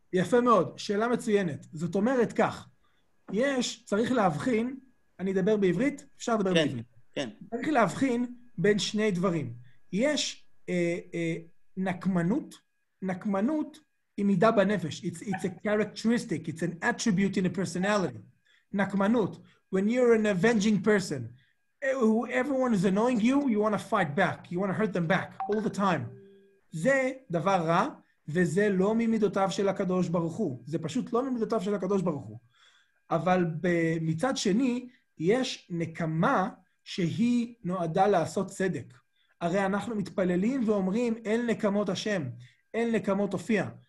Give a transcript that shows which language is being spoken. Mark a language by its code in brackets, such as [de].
[he] יפה מאוד. שאלה מצוינת. זאת אומרת כך. צריך להבחין, אני אדבר בעברית, אפשר לדבר בעברית. כן. צריך להבחין בין שני דברים. יש נקמנות, נקמנות היא מידה בנפש. [en] It's a characteristic, it's an attribute in a personality. נקמנות, when you're an avenging person, everyone is annoying you, you want to fight back, you want to hurt them back, all the time. [he] זה דבר רע, וזה לא ממידותיו של הקדוש ברוך הוא. זה פשוט לא ממידותיו של הקדוש ברוך הוא. אבל מצד שני, יש נקמה, שהיא נועדה לעשות צדק. הרי אנחנו מתפללים ואומרים, אין נקמות השם, אין נקמות הופיע.